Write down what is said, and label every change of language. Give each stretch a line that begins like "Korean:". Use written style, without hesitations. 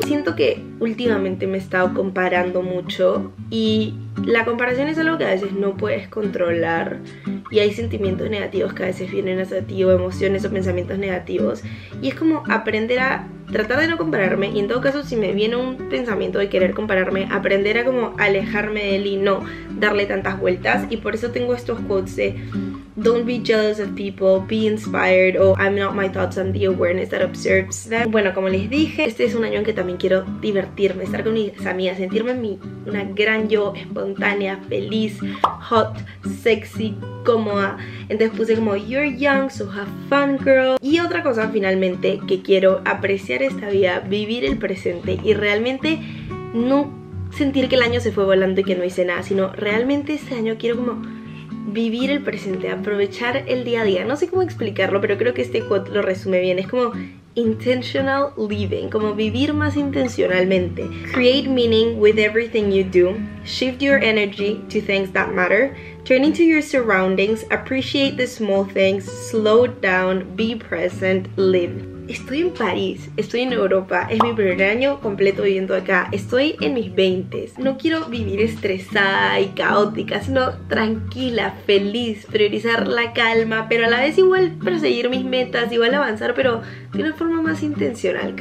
Spanish: Siento que últimamente me he estado comparando mucho, y la comparación es algo que a veces no puedes controlar, y hay sentimientos negativos que a veces vienen hacia ti, o emociones o pensamientos negativos, y es como aprender a tratar de no compararme, y en todo caso si me viene un pensamiento de querer compararme, aprender a como alejarme de él y no darle tantas vueltas. Y por eso tengo estos quotes de don't be jealous of people, be inspired, o I'm not my thoughts, I'm the awareness that observes them. Bueno, como les dije, este es un año en que también quiero divertirme, estar con mis amigas, sentirme una gran yo, espontánea, feliz, hot, sexy, cómoda. Entonces puse como you're young, so have fun girl. Y otra cosa finalmente que quiero, apreciar esta vida, vivir el presente y realmente no sentir que el año se fue volando y que no hice nada, sino realmente este año quiero como vivir el presente, aprovechar el día a día. No sé cómo explicarlo, pero creo que este quote lo resume bien. Es como intentional living, como vivir más intencionalmente.
English: Create meaning with everything you do. Shift your energy to things that matter. Turn into your surroundings. Appreciate the small things. Slow down. Be present. Live.
Spanish: Estoy en París, estoy en Europa, es mi primer año completo viviendo acá. Estoy en mis 20s. No quiero vivir estresada y caótica, sino tranquila, feliz, priorizar la calma, pero a la vez igual perseguir mis metas, igual avanzar, pero de una forma más intencional.